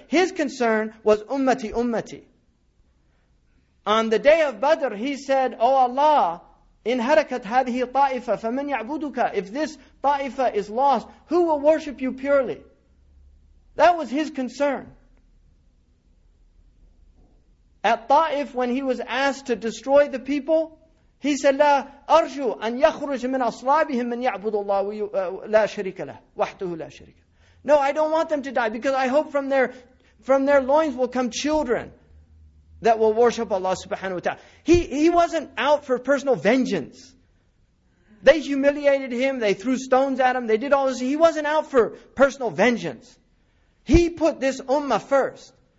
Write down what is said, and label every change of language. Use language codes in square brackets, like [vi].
[en] His concern was ummati, ummati. On the day of Badr, he said, O Allah, [ar] in harakat hadhi ta'ifa, faman ya'buduka. [en] If this ta'ifa is lost, who will worship you purely? That was his concern. At Ta'if, when he was asked to destroy the people, he said, [ar] لا أرجو أن يخرج من أصلابهم من يعبد الله لا شريك له وحده لا شريك. [en] No, I don't want them to die because I hope from their loins will come children that will worship Allah subhanahu wa ta'ala. He wasn't out for personal vengeance. They humiliated him, they threw stones at him, they did all this. He wasn't out for personal vengeance. He put this ummah first.